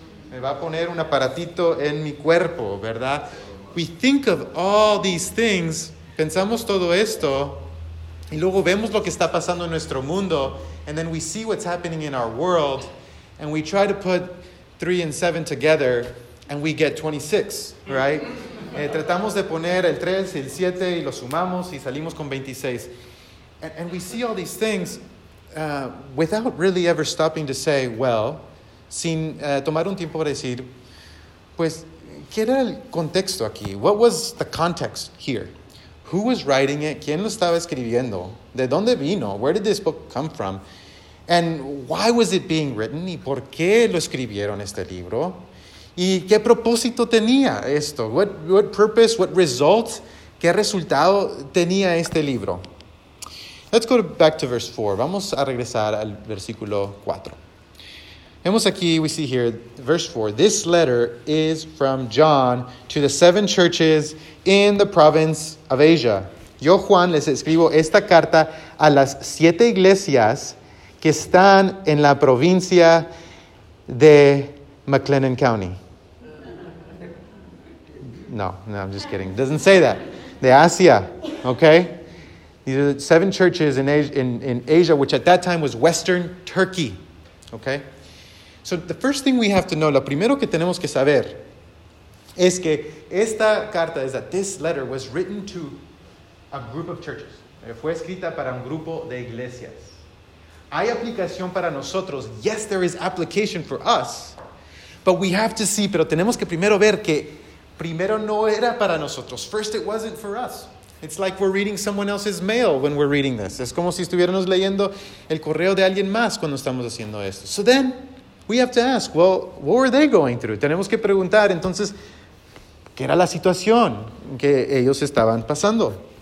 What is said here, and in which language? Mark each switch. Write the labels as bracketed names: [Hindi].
[Spanish] Me va a poner un aparatito en mi cuerpo, ¿verdad? [English] We think of all these things. [Spanish] Pensamos todo esto. Y luego vemos lo que está pasando en nuestro mundo. [English] And then we see what's happening in our world. And we try to put 3 and 7 together. And we get 26, right? [Spanish] Tratamos de poner el 3 y el 7 y lo sumamos y salimos con 26. [English] And we see all these things without really ever stopping to say, well, [Spanish] sin tomar un tiempo para decir, pues, ¿qué era el contexto aquí? [English] What was the context here? Who was writing it? [Spanish] ¿Quién lo estaba escribiendo? ¿De dónde vino? [English] Where did this book come from? And why was it being written? [Spanish] ¿Y por qué lo escribieron este libro? ¿Y qué propósito tenía esto? [English] What purpose, what result, [Spanish] qué resultado tenía este libro? [English] Let's go back to verse 4. [Spanish] Vamos a regresar al versículo 4. Vemos aquí, [English] we see here, verse 4. This letter is from John to the seven churches in the province of Asia. [Spanish] Yo, Juan, les escribo esta carta a las siete iglesias que están en la provincia de McLennan County. [English] No, I'm just kidding. It doesn't say that. [Spanish] De Asia, [English] okay? These are seven churches in Asia, which at that time was Western Turkey, okay? So the first thing we have to know, [Spanish] lo primero que tenemos que saber, es que esta carta, [English] is that this letter was written to a group of churches. [Spanish] Fue escrita para un grupo de iglesias. Hay aplicación para nosotros. [English] Yes, there is application for us. But we have to see, [Spanish] pero tenemos que primero ver que primero no era para nosotros. [English] First, it wasn't for us. It's like we're reading someone else's mail when we're reading this. [Spanish] Es como si estuviéramos leyendo el correo de alguien más cuando estamos haciendo esto. [English] So then, we have to ask, well, what were they going through? [Spanish] Tenemos que preguntar, entonces, ¿qué era la situación que ellos estaban pasando?